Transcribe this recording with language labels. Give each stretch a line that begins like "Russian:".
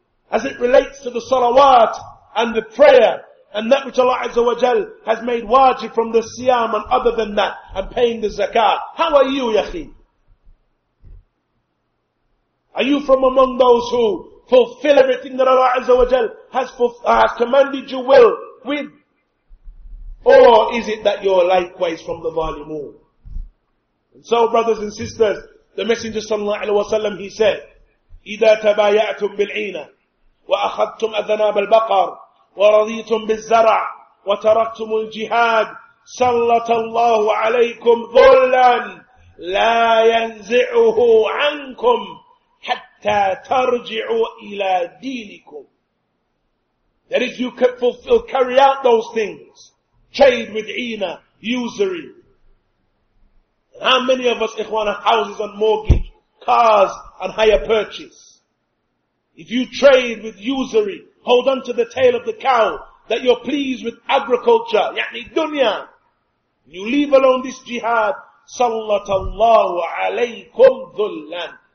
English: As it relates to the salawat and the prayer and that which Allah Azza wa Jalla has made wajib from the siyam and other than that and paying the zakat. How are you, Yaqi? Are you from among those who fulfill everything that Allah Azza wa Jalla has commanded you will with? Or is it that you're likewise from the zalimun? And so, brothers and sisters, the Messenger sallallahu alaihi wasallam, he said,
Arabic: إِذَا تَبَايَعْتُمْ بِالْعِينَ وَأَخَذْتُمْ أَذْنَابَ الْبَقَرِ وَرَضِيتُمْ بِالزَّرَعِ وَتَرَكْتُمُ الْجِهَادِ سَلَّطَ اللَّهُ عَلَيْكُمْ ظُلًّا لَا يَنْزِعُهُ عَنْكُمْ حَتَّى تَرْجِعُوا إِلَى دِينِكُمْ.
English: That is, you can fulfill, carry out those things. Trade with ina, usury. How many of us, ikhwan, have houses on mortgage, cars on higher purchase? If you trade with usury, hold on to the tail of the cow, that you're pleased with agriculture, yani dunya, you leave alone this jihad, sallatallahu alaykum dhullan.